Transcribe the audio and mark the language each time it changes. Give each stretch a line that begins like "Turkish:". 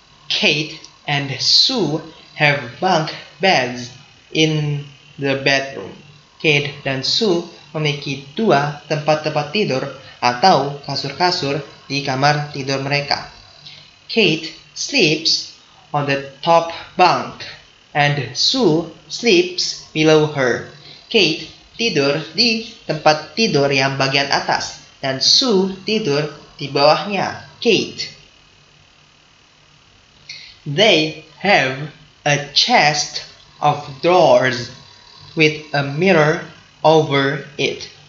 English: Kate and Sue have bunk beds in the bedroom.
Indonesian: Kate dan Sue memiliki dua tempat-tempat tidur atau kasur-kasur di kamar tidur mereka.
English: Kate sleeps on the top bunk and Sue sleeps below her.
Indonesian: Kate tidur di tempat tidur yang bagian atas dan Sue tidur di bawahnya.
English: Kate. They have a chest of drawers with a mirror over it.